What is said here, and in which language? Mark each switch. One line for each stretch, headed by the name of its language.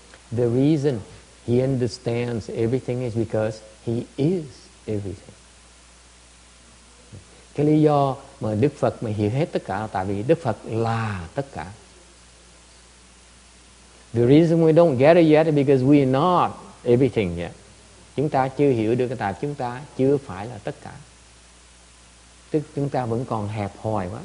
English: The reason he understands everything is because he is everything.
Vietnamese: Cái lý do mà Đức Phật mà hiểu hết tất cả là tại vì Đức Phật là tất cả.
English: The reason we don't get it yet is because we are not everything yet.
Vietnamese: Chúng ta chưa hiểu được cái tại chúng ta chưa phải là tất cả. Tức chúng ta vẫn còn hẹp hòi quá.